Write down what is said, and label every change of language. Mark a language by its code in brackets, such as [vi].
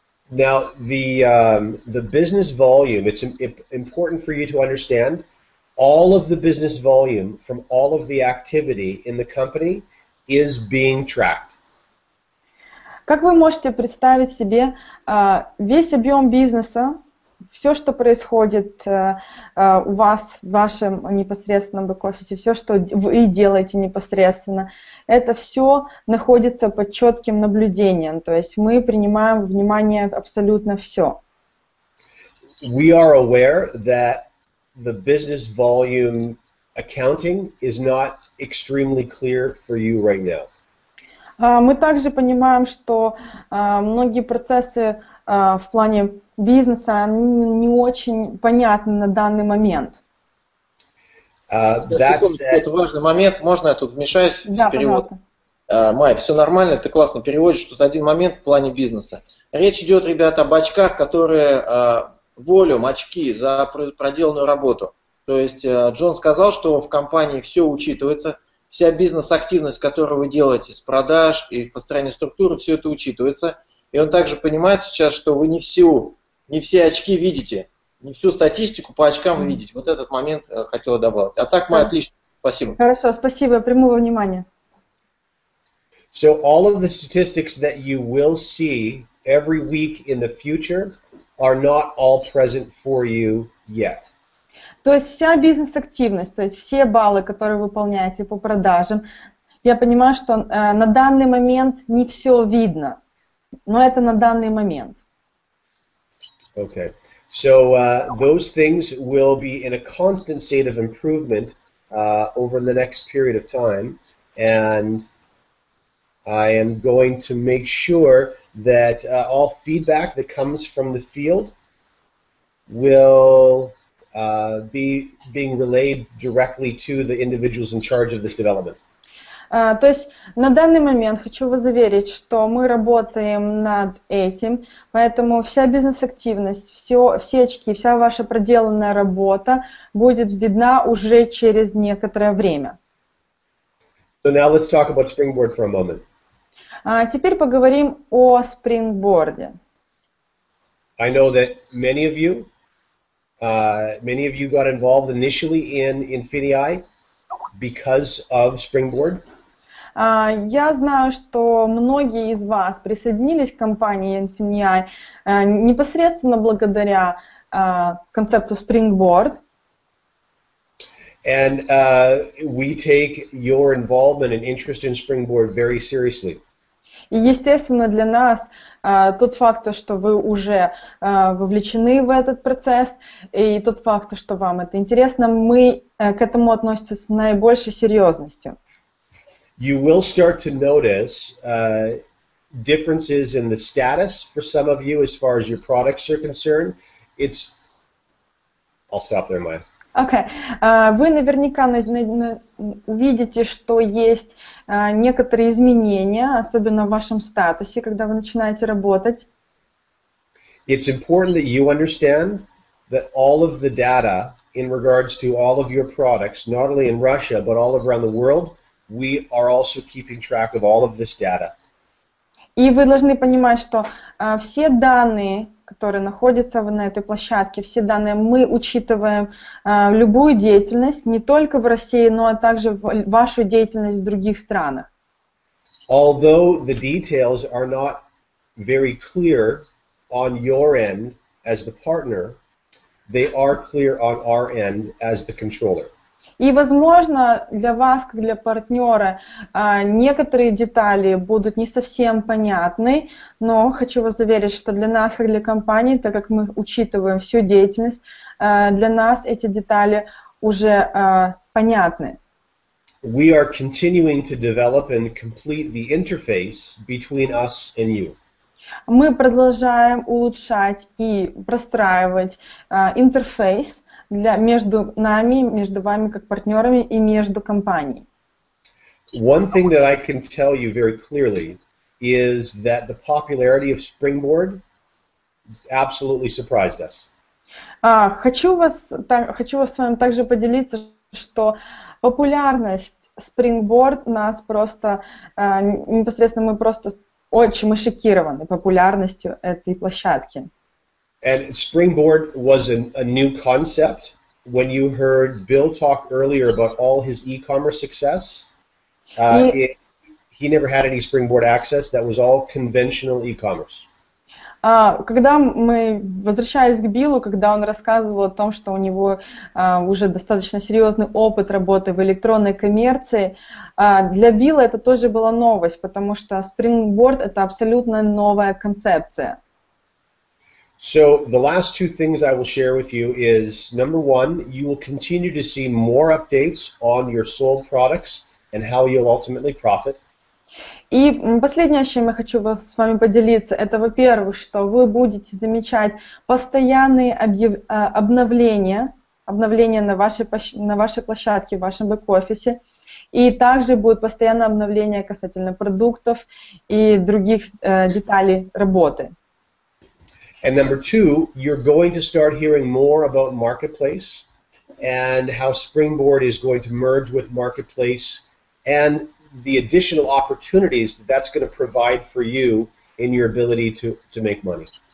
[en] Now, the business volume, it's important for you to understand all of the business volume from all of the activity in the company is being tracked. [ru] Как вы можете представить себе весь объем бизнеса, все, что происходит у вас в вашем непосредственном бэк-офисе, все, что вы делаете непосредственно, это все находится под четким наблюдением. То есть мы принимаем внимание абсолютно все. [en] We are aware that the business volume accounting is not extremely clear for you right now. [ru] Мы также понимаем, что многие процессы в плане бизнеса не очень понятны на данный момент. Это важный момент. Можно я тут вмешаюсь в перевод? Да, пожалуйста. Майя, все нормально, ты классно переводишь. Тут один момент в плане бизнеса. Речь идет, ребята, об очках, которые волюм, очки за проделанную работу. То есть Джон сказал, что в компании все учитывается. Вся бизнес-активность, которую вы делаете с продаж и построение структуры, все это учитывается. И он также понимает сейчас, что вы не все очки видите, не всю статистику по очкам вы видите. Вот этот момент хотел добавить. А так, мы отлично. Спасибо. Хорошо, спасибо. Приму во внимание. [en] So all of the statistics that you will see every week in the future are not all present for you yet. [ru] То есть вся бизнес-активность, то есть все баллы, которые вы выполняете по продажам, я понимаю, что на данный момент не все видно, но это на данный момент. [en] Okay. So those things will be in a constant state of improvement over the next period of time, and I am going to make sure that all feedback that comes from the field will being relayed directly to the individuals in charge of this development. [ru] То есть на данный момент хочу вас заверить, что мы работаем над этим, поэтому вся бизнес-активность, все очки, вся ваша проделанная работа будет видна уже через некоторое время. [en] So now let's talk about Springboard for a moment. [ru] Теперь поговорим о Springboard. [en] I know that many of you got involved initially in Infinii because of Springboard. [ru] Я знаю, что многие из вас присоединились к компании Infinii непосредственно благодаря концепту Springboard. [en] And we take your involvement and interest in Springboard very seriously. [ru] И естественно для нас тот факт, что вы уже вовлечены в этот процесс, и тот факт, что вам это интересно, мы к этому относимся с наибольшей серьезностью. [en] You will start to notice differences in the status for some of you as far as your products are concerned. I'll stop there, Maya. Okay. [ru] Вы наверняка увидите, что есть некоторые изменения, особенно в вашем статусе, когда вы начинаете работать. [en] It's important that you understand that all of the data in regards to all of your products, not only in Russia, but all around the world, we are also keeping track of all of this data. [ru] И вы должны понимать, что все данные, которые находятся на этой площадке, все данные мы учитываем любую деятельность, не только в России, но также вашу деятельность в других странах. [en] Although the details are not very clear on your end as the partner, they are clear on our end as the controller. [ru] И, возможно, для вас, как для партнера, некоторые детали будут не совсем понятны, но хочу вас заверить, что для нас, как для компании, так как мы учитываем всю деятельность, для нас эти детали уже понятны. [en] We are continuing to develop and complete the interface between us and you. [ru] Мы продолжаем улучшать и простраивать интерфейс для между нами, между вами как партнерами и между компанией. [en] One thing that I can tell you very clearly is that the popularity of Springboard absolutely surprised us. [ru] Хочу вас с вами также поделиться, что популярность Springboard нас просто непосредственно мы просто очень мы шокированы популярностью этой площадки. [en] And Springboard was a new concept when you heard Bill talk earlier about all his e-commerce success. He never had any Springboard access. That was all conventional e-commerce. [ru] Когда мы, возвращаясь к Биллу, когда он рассказывал о том, что у него уже достаточно серьезный опыт работы в электронной коммерции, для Билла это тоже была новость, потому что Springboard — это абсолютно новая концепция. [en] So the last two things I will share with you is, number one, you will continue to see more updates on your sold products and how you'll ultimately profit. [ru] И последнее, чем я хочу с вами поделиться, это, во-первых, что вы будете замечать постоянные обновления на вашей площадке, в вашем бэк-офисе, и также будет постоянное обновление касательно продуктов и других деталей работы. [en] And number two, you're going to start hearing more about Marketplace and how Springboard is going to merge with Marketplace and the additional opportunities that that's going to provide for you in your ability to make money.